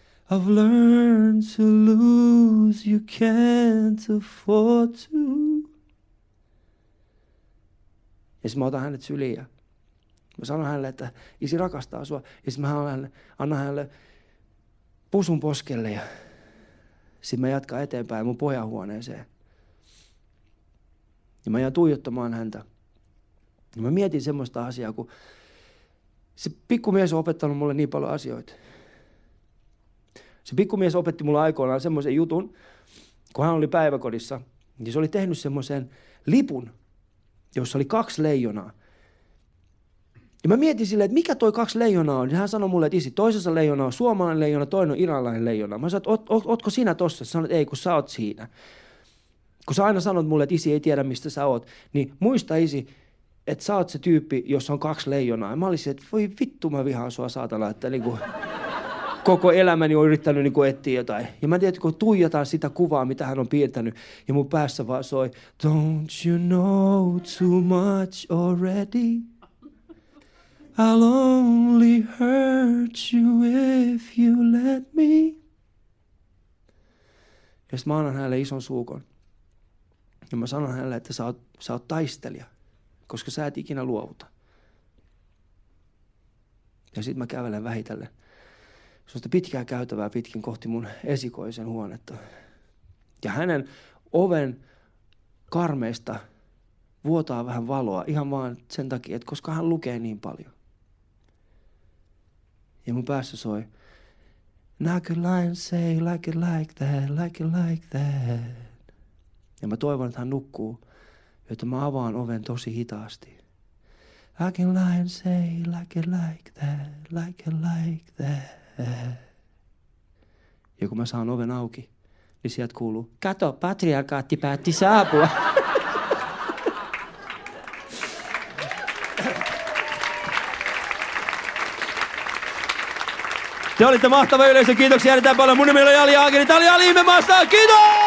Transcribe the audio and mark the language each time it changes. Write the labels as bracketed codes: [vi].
[en] I've learned to lose, you can't afford to. [fi] Ja sit mä otan hänet syliin ja mä sanon hänelle, että isi rakastaa sua. Ja sit mä annan hänelle pusun poskelle ja sit mä jatkan eteenpäin mun pojan huoneeseen. Ja mä jään tuijottamaan häntä. Ja mä mietin semmoista asiaa, kun se pikkumies on opettanut mulle niin paljon asioita. Se pikkumies opetti mulle aikoinaan semmoisen jutun, kun hän oli päiväkodissa, niin se oli tehnyt semmoisen lipun, jossa oli kaksi leijonaa. Ja mä mietin silleen, että mikä toi kaksi leijonaa on, niin hän sanoi mulle, että isi, toisessa leijona on suomalainen leijona, toinen on iranlainen leijona. Mä sanoin, että ootko sinä tossa? Sä sanoit, että ei, kun sä oot siinä. Kun sä aina sanot mulle, että isi ei tiedä, mistä sä oot, niin muista isi, että sä oot se tyyppi, jossa on kaksi leijonaa. Ja mä olisin, että voi vittu, mä vihaan sua, saatana, että niinku... Koko elämäni on yrittänyt niin kuin etsiä jotain. Ja mä tiedän, kun tuijataan sitä kuvaa, mitä hän on piirtänyt. Ja mun päässä vaan soi, [en] don't you know too much already? I'll only hurt you if you let me. [fi] Ja sit mä annan hänelle ison suukon. Ja mä sanon hänelle, että sä oot taistelija. Koska sä et ikinä luovuta. Ja sit mä kävelen vähitellen. Se on pitkää käytävää pitkin kohti mun esikoisen huonetta. Ja hänen oven karmeista vuotaa vähän valoa ihan vaan sen takia, että koska hän lukee niin paljon. Ja mun päässä soi. [en] Knock a line, say like it like that, like it like that. [fi] Ja mä toivon, että hän nukkuu, jotta mä avaan oven tosi hitaasti. [en] I can lie and say like it like that, like it like that. [fi] Ja kun mä saan oven auki, niin sieltä kuuluu, kato, patriarkaatti päätti saapua. Te olitte mahtava yleisö, kiitoksia, jätetään paljon. Mun nimi on Jali Aakeri, tää oli Jali Ihmemaassa, kiitos!